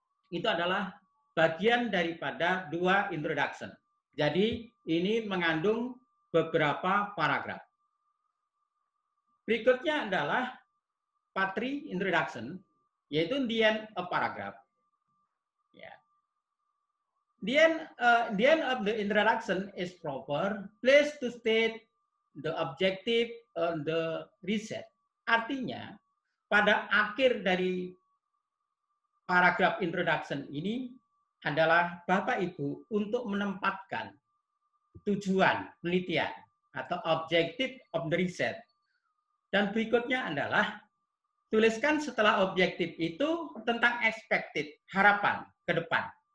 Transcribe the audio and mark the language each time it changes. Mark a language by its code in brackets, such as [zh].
[id] Itu adalah bagian daripada dua introduction. Jadi ini mengandung beberapa paragraf. Berikutnya adalah part 3 introduction, yaitu [en] the end of paragraph. The end of the introduction is proper place to state the objective of the research. [id] Artinya, pada akhir dari paragraf introduction ini adalah Bapak Ibu untuk menempatkan tujuan penelitian atau [en] objective of the research. [id] Dan berikutnya adalah tuliskan setelah objective itu tentang expected, harapan ke depan.